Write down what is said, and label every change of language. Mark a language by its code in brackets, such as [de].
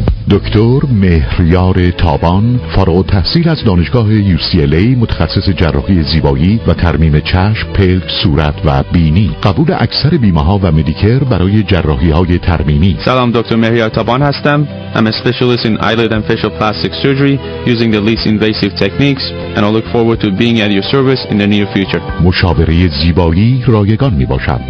[fa] دکتر مهریار تابان، فارغ التحصیل از دانشگاه UCLA، متخصص جراحی زیبایی و ترمیم چشم، پلک، صورت و بینی. قبول اکثر بیمه ها و مدیکر برای جراحی های ترمیمی. سلام، دکتر مهریار تابان هستم. [en] I'm a specialist in eyelid and facial plastic surgery using the least invasive techniques and I look forward to being at your service in the near future. [fa] مشاوره زیبایی رایگان می باشم.